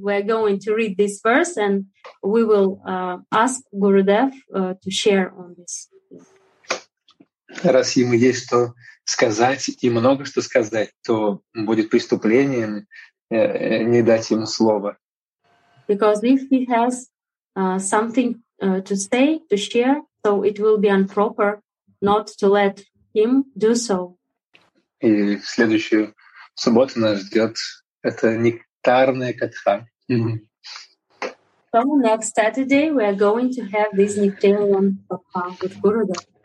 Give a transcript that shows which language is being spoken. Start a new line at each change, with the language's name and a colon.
English: We are going to read this verse and we will ask Gurudev to share on this.
Russian: Раз ему есть что сказать и много что сказать, то будет преступлением не дать ему слова.
English: Because if he has something to say, to share, so it will be improper not to let him do so.
Russian: И в следующую субботу нас ждет это нектарная катха.
English: So next Saturday we are going to have this nectarian katha with Gurudev.